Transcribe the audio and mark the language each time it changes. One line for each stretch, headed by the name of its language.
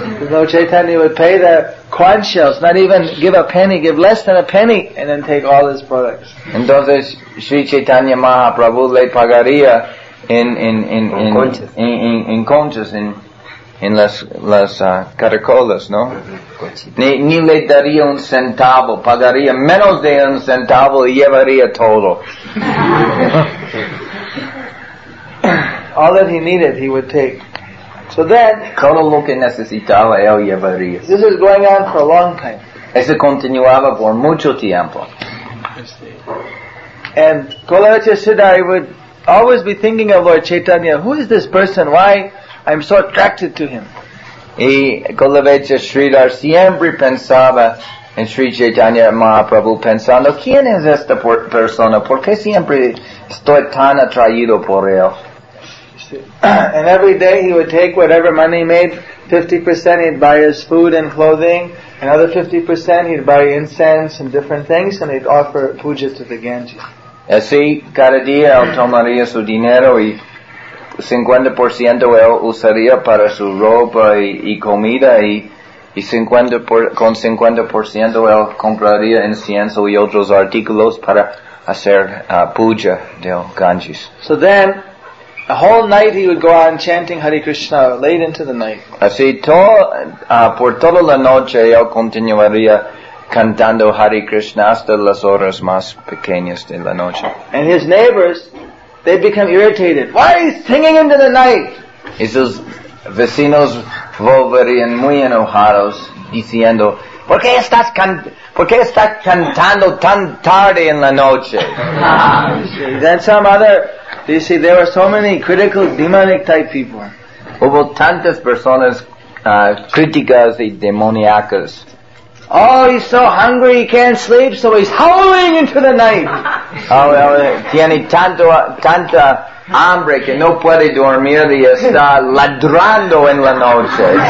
English: No, Chaitanya would pay the corn shells, not even give a penny, give less than a penny, and then take all his products.
Spanish: Entonces, Sri Chaitanya Mahaprabhu le pagaría en conchas, en las caracolas, ¿no? Ni le daría un centavo, pagaría menos de un centavo y llevaría todo.
English: All that he needed, he would take. So then,
Spanish: todo lo que necesitaba, él llevaría.
English: This is going on for a long time.
Spanish: Eso continuaba por mucho tiempo.
English: And Kolaracharya Siddhartha would always be thinking of Lord Chaitanya. Who is this person? Why I'm so attracted to him?
Spanish: Y Kolaracharya Siddhartha siempre pensaba en Sri Chaitanya Mahaprabhu, pensando, ¿quién es esta persona? ¿Por qué siempre estoy tan atraído por él?
English: And every day he would take whatever money he made, 50% he'd buy his food and clothing, another 50% he'd buy incense and different things, and he'd offer puja to the Ganges.
Spanish: Así, cada día él tomaría su dinero y 50% él usaría para su ropa y comida y con 50% él compraría incienso y otros artículos para hacer puja del Ganges.
English: So then, the whole night he would go on chanting Hare Krishna late into the night.
Spanish: Así, por toda la noche él continuaría cantando Hare Krishna hasta las horas más pequeñas de la noche.
English: And his neighbors, they become irritated. Why are you singing into the night?
Spanish: Y sus vecinos volverían muy enojados diciendo, ¿Por qué estás cantando tan tarde en la noche?
English: Then some other, you see, there were so many critical, demonic type people.
Spanish: Hubo tantas personas críticas y demoníacas.
English: Oh, he's so hungry, he can't sleep, so he's howling into the night.
Spanish: Oh, well, tiene tanta hambre que no puede dormir y está ladrando en la noche.